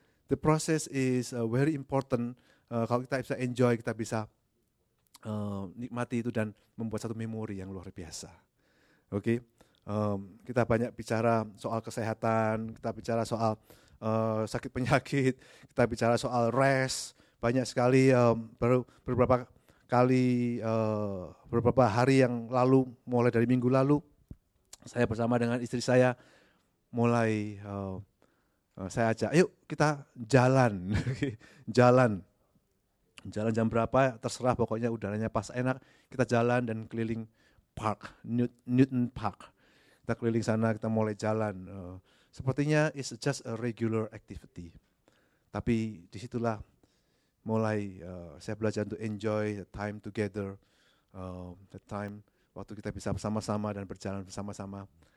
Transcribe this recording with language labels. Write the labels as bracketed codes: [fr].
[en] The process is very important. [id] Kalau kita bisa enjoy, kita bisa nikmati itu dan membuat satu memori yang luar biasa. Oke, kita banyak bicara soal kesehatan, kita bicara soal sakit penyakit, kita bicara soal rest, banyak sekali. Baru beberapa kali, beberapa hari yang lalu, mulai dari minggu lalu, saya bersama dengan istri saya mulai saya ajak, yuk kita jalan, jalan. Jalan jam berapa, terserah, pokoknya udaranya pas enak, kita jalan dan keliling park, Newton Park. Kita keliling sana, kita mulai jalan. Sepertinya [en] it's just a regular activity. [id] Tapi disitulah mulai saya belajar untuk [en] enjoy the time together, the time [id] waktu kita bisa bersama-sama dan berjalan bersama-sama.